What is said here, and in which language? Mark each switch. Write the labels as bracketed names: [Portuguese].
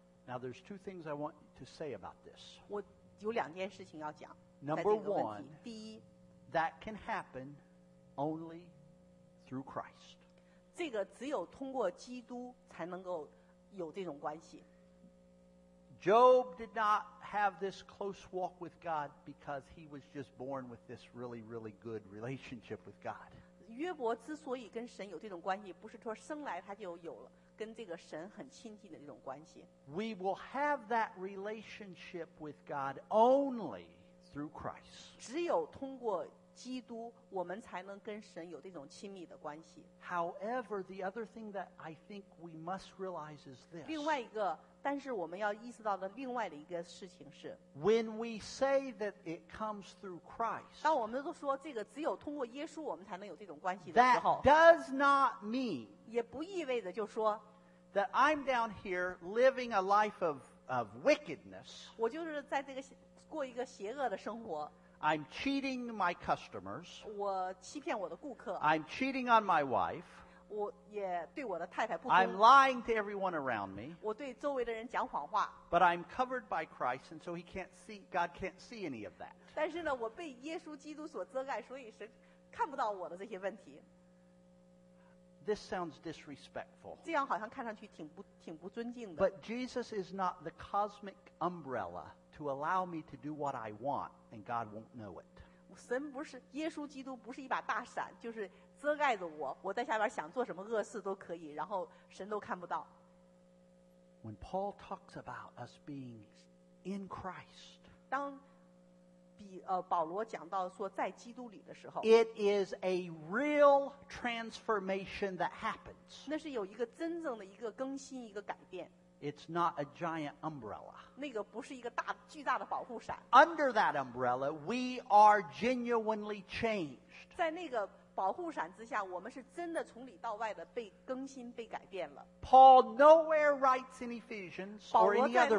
[English] Now there's two things I want to say about this. [Chinese] 我有两件事情要讲。 [English] Number one, [Chinese] 第一 [English] that can happen only through Christ. [Chinese] 这个只有通过基督才能够有这种关系。 [English] Job did not have this close walk with God because he was just born with this really, really good relationship with God. [Chinese] 约伯之所以跟神有这种关系，不是说生来他就有了跟这个神很亲近的这种关系。 [English] We will have that relationship with God only through Christ. [Chinese] 只有通过基督，我们才能跟神有这种亲密的关系。 [English] However, the other thing that I think we must realize is this. [Chinese] 另外一个但是我们要意识到的另外的一个事情是 [English] When we say that it comes through Christ [Chinese] 当我们都说这个只有通过耶稣我们才能有这种关系的时候 [English] That does not mean [Chinese] 也不意味着就说 [English] That I'm down here living a life of wickedness [Chinese] 我就是在这个过一个邪恶的生活 [English] I'm cheating my customers [Chinese] 我欺骗我的顾客 [English] I'm cheating on my wife I'm lying to everyone around me. [Chinese] 我对周围的人讲谎话。 [English] But I'm covered by Christ, and so God can't see any of that. [Chinese] 但是呢，我被耶稣基督所遮盖，所以是看不到我的这些问题。 [English] This sounds disrespectful. [Chinese] 这样好像看上去挺不尊敬的。 [English] But Jesus is not the cosmic umbrella to allow me to do what I want, and God won't know it. [Chinese] 神不是耶稣基督，不是一把大伞，就是。遮盖着我，我在下边想做什么恶事都可以，然后神都看不到。 [English] When Paul talks about us being in Christ, [Chinese] 当保罗讲到说在基督里的时候 [English] ，It is a real transformation that happens. [Chinese] 那是有一个真正的一个更新，一个改变。 [English] It's not a giant umbrella. [Chinese] 那个不是一个大巨大的保护伞。 [English] Under that umbrella, we are genuinely changed. [Chinese] 在那个保护伞之下，我们是真的从里到外的被更新、被改变了。 [English] Paul nowhere writes in Ephesians or any other book.